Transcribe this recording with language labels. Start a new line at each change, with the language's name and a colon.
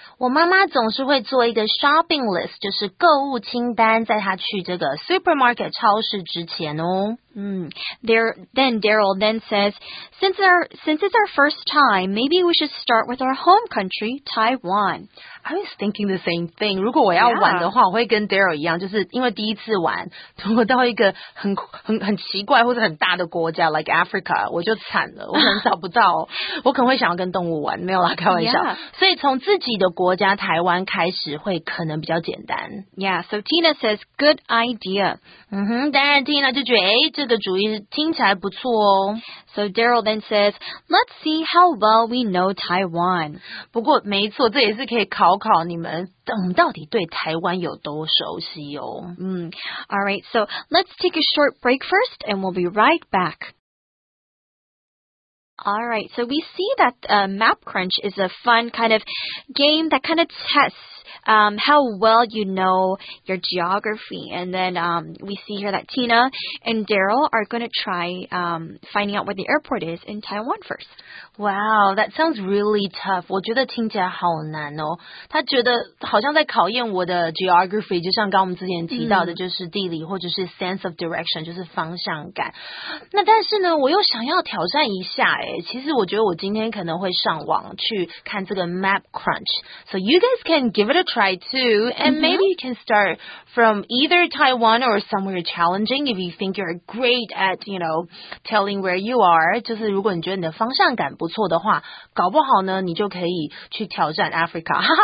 Chinese: 我妈妈总是会做一个 shopping list, 就是购物清单在她去这个 supermarket 超市之前哦。
English: Then Daryl then says, since it's our first time, maybe we should start with our home country, Taiwan. I was thinking the same thing.
Chinese: 如果我要玩的话，我会跟 Daryl 一样，就是因为第一次玩，如果到一个很奇怪或者很大的国家 ，like Africa， 我就惨了，我可能找不到，我可能会想要跟动物玩，没有啦，开玩笑。
English: Yeah.
Chinese: 所以从自己的国家台湾开始会可能比较简单。
English: Yeah, so Tina says, good idea.
Chinese: 当然 Tina 就觉得，这个主意听起来不错哦。
English: So Daryl then says, let's see how well we know Taiwan.
Chinese: 不过没错，这也是可以考考你们，我们到底对台湾有多熟悉哦。
English: All right, so let's take a short break first and we'll be right back. All right, so we see that Map Crunch is a fun kind of game that kind of tests how well you know your geography. And then we see here that Tina and Daryl are going to try finding out where the airport is in Taiwan first. Wow, that sounds really tough.
Chinese: 我觉得听起来好难哦。他觉得好像在考验我的 geography, 就像刚我们之前提到的就是地理或者是
English: sense of direction,
Chinese: 就是方向感。那但是呢我又想要挑战一下耶。其实我觉得我今天可能会上网去看这个 Map Crunch.
English: So you guys can give it a try too. And maybe you can start from either Taiwan or somewhere challenging if you think you're great at, you know, telling where you are.
Chinese: 就是如果你觉得你的方向感不错的话，搞不好呢，你就可以去挑战 Africa.